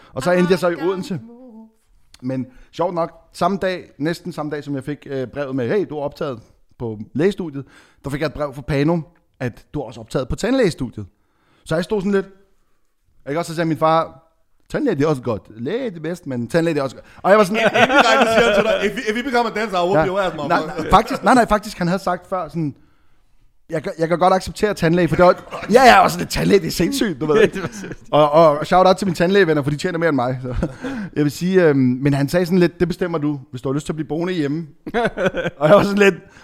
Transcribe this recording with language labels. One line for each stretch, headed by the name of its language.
Danish: Og så endte jeg så i Odense. Men sjovt nok, samme dag, næsten samme dag, som jeg fik brevet med, hey, du er optaget på lægestudiet, der fik jeg et brev fra Panum, at du er også optaget på tandlægestudiet. Så jeg stod sådan lidt, ikke også, så sagde min far... Tandlæge, det er også godt. Læge, det er bedst, men tandlæge, det er også godt. Og jeg var sådan...
English: If you become a dancer, I will be as my mother.
Danish: Faktisk, han havde sagt før sådan... Jeg kan godt acceptere tandlæge, for det var... Ja, jeg er også lidt tandlæge, det er sindssygt, du ved. og shout out til mine tandlægevenner, for de tjener mere end mig. Så. Jeg vil sige... men han sagde sådan lidt, det bestemmer du, hvis du har lyst til at blive boende hjemme. Og jeg var sådan lidt...